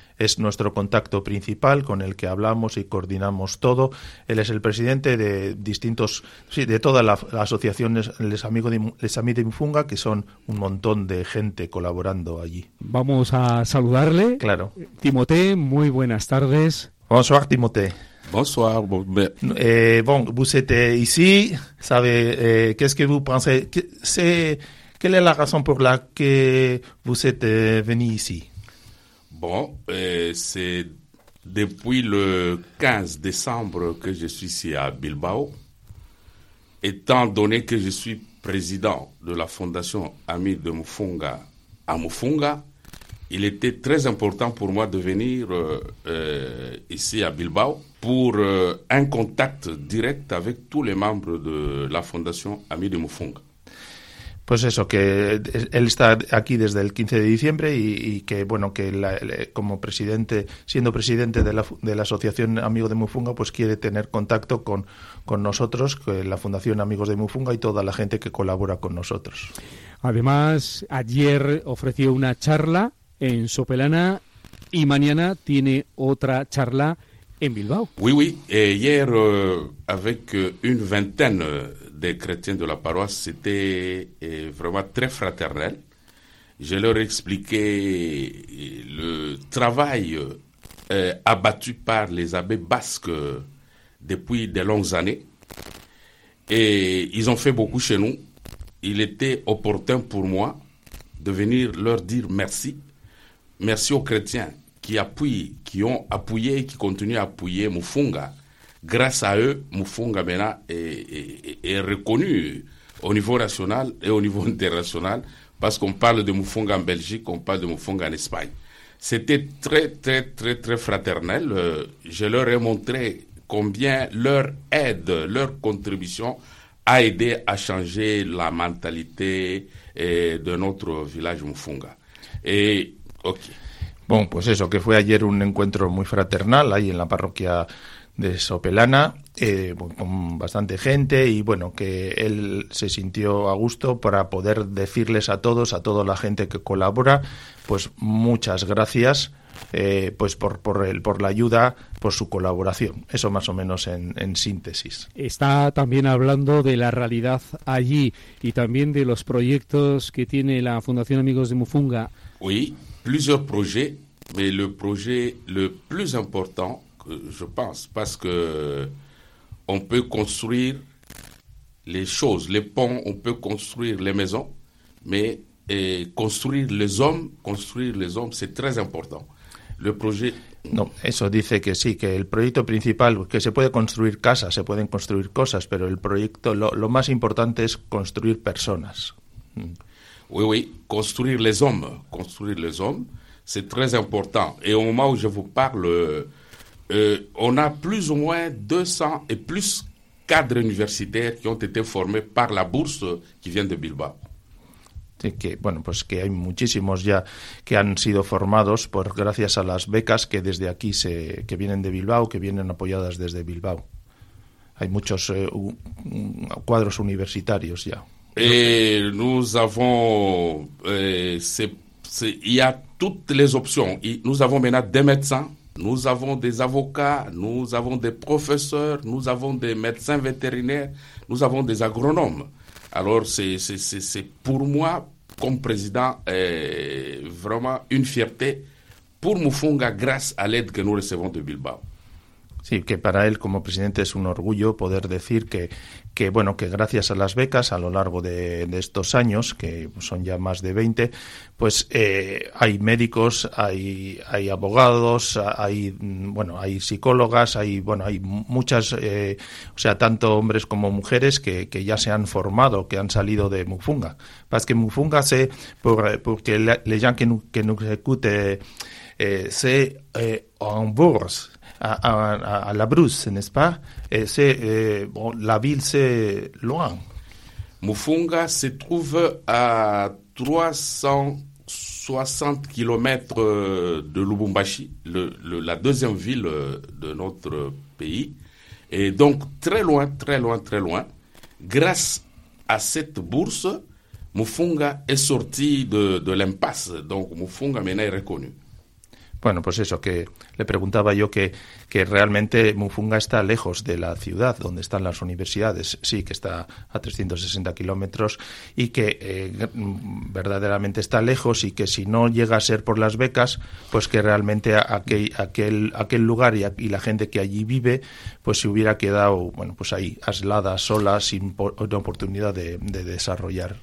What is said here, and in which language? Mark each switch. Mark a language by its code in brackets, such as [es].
[es] Es nuestro contacto principal con el que hablamos y coordinamos todo. Él es el presidente de distintos, sí, de toda la asociación Les Amigos de Mufunga, que son un montón de gente colaborando allí. Vamos a saludarle. Claro. Timothée, muy buenas tardes. [fr] Bonsoir, Timothée. Bonsoir. Bon, vous êtes ici, savez, qu'est-ce que vous pensez? Quelle est la raison pour laquelle vous êtes venu ici? Bon, c'est depuis le 15 décembre que je suis ici à Bilbao. Étant donné que je suis président de la Fondation Amis de Mufunga à Mufunga, il était très important pour moi de venir ici à Bilbao pour un contact direct avec tous les membres de la Fondation Amis de Mufunga. [es] Pues eso, que él está aquí desde el 15 de diciembre y que, bueno, que como presidente, siendo presidente de la Asociación Amigos de Mufunga, pues quiere tener contacto con nosotros, con la Fundación Amigos de Mufunga y toda la gente que colabora con nosotros. Además, ayer ofreció una charla en Sopelana y mañana tiene otra charla en Bilbao. [fr] Oui. Hier, avec une vingtaine de chrétiens de la paroisse, c'était vraiment très fraternel. Je leur ai expliqué le travail abattu par les abbés basques depuis de longues années. Et ils ont fait beaucoup chez nous. Il était opportun pour moi de venir leur dire merci. Merci aux chrétiens qui ont appuyé et qui continuent à appuyer Mufunga. Grâce à eux, Mufunga Bena est reconnu au niveau national et au niveau international, parce qu'on parle de Mufunga en Belgique, on parle de Mufunga en Espagne. C'était très, très, très, très fraternel. Je leur ai montré combien leur aide, leur contribution a aidé à changer la mentalité de notre village Mufunga. Et, ok. [es] Bueno, pues eso, que fue ayer un encuentro muy fraternal ahí en la parroquia de Sopelana, con bastante gente, y bueno, que él se sintió a gusto para poder decirles a toda la gente que colabora, pues muchas gracias, pues por la ayuda, por su colaboración. Eso más o menos en síntesis. Está también hablando de la realidad allí y también de los proyectos que tiene la Fundación Amigos de Mufunga. [fr] Oui. Plusieurs projets, mais le projet le plus important, je pense, parce que on peut construire les choses, les ponts, on peut construire les maisons, mais construire les hommes, c'est très important. Le projet. [es] No, eso dice que sí, que el proyecto principal, que se puede construir casas, se pueden construir cosas, pero el proyecto, lo más importante es construir personas. [fr] Oui, oui, construire les hommes, c'est très important. Et au moment où je vous parle, on a plus ou moins 200 et plus cadres universitaires qui ont été formés par la bourse qui vient de Bilbao. [es] Que bueno, pues que hay muchísimos ya que han sido formados por gracias a las becas que desde aquí que vienen de Bilbao, que vienen apoyadas desde Bilbao. Hay muchos cuadros universitarios ya. [fr] Et nous avons, il y a toutes les options. Nous avons maintenant des médecins, nous avons des avocats, nous avons des professeurs, nous avons des médecins vétérinaires, nous avons des agronomes. Alors c'est pour moi, comme président, vraiment une fierté pour Mufunga grâce à l'aide que nous recevons de Bilbao. [es] Sí, que para él como presidente es un orgullo poder decir que bueno, que gracias a las becas a lo largo de estos años, que son ya más de 20, pues hay médicos, hay abogados, hay psicólogas, hay muchas, tanto hombres como mujeres que ya se han formado, que han salido de Mufunga. [fr] Parce que Mufunga se porque le gens que nous écoute se en bourse. À la Brousse, n'est-ce pas? Et la ville, c'est loin. Mufunga se trouve à 360 km de Lubumbashi, la deuxième ville de notre pays. Et donc, très loin, très loin, très loin. Grâce à cette bourse, Mufunga est sorti de l'impasse. Donc, Mufunga maintenant est reconnu. [es] Bueno, pues eso, que le preguntaba yo que realmente Mufunga está lejos de la ciudad donde están las universidades. Sí, que está a 360 kilómetros y que verdaderamente está lejos y que si no llega a ser por las becas, pues que realmente aquel lugar y la gente que allí vive, pues se hubiera quedado, bueno, pues ahí, aislada, sola, sin oportunidad de desarrollar.